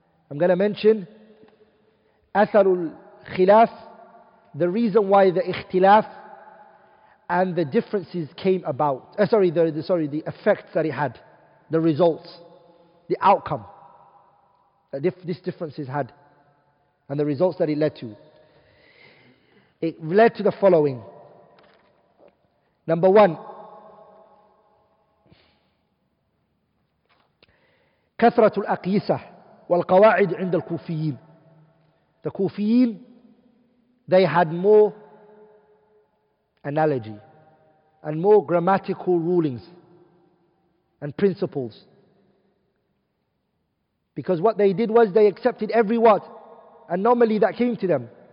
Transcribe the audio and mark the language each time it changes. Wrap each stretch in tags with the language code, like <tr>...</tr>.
<en>I'm going to mention Atharul Khilaf, the reason why the Ikhtilaf and the differences came about. The effects that it had, the results, the outcome that these differences had, and the results that it led to. It led to the following. Number one,</en> <ar>كثرة الأقيسة والقواعد عند الكوفيين.</ar> <en>The Kufiyin, they had more analogy and more grammatical rulings and principles. Because what they did was they accepted every what anomaly that came to them.</en>